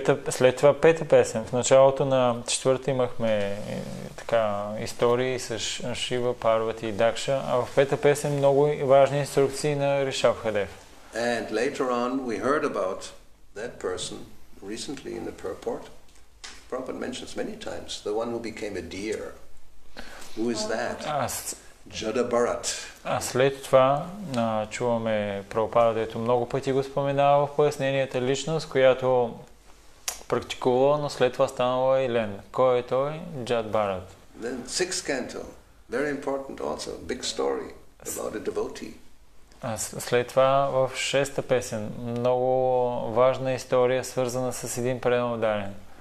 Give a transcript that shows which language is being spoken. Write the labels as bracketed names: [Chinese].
[Bulgarian] След това пета песен. В началото на четвърта имахме така истории с Шива, Парвати и Дакша, а в пета песен много важни инструкции на Ришабхадев. [English] And later on we heard about that person recently in the purport. Prabhupada mentions many times the one who became a deer. Who is that? Джадабарат. [Bulgarian] А след това чуваме Прабхупада, дето много пъти го споменава в поясненията, личност, която практикувала, но след това станала Елен. Кой е той? Джадабарат. [English] Then sixth canto, very important also, big story about a devotee. [Bulgarian] А след това в шеста песен, много важна история, свързана с един преданодарен.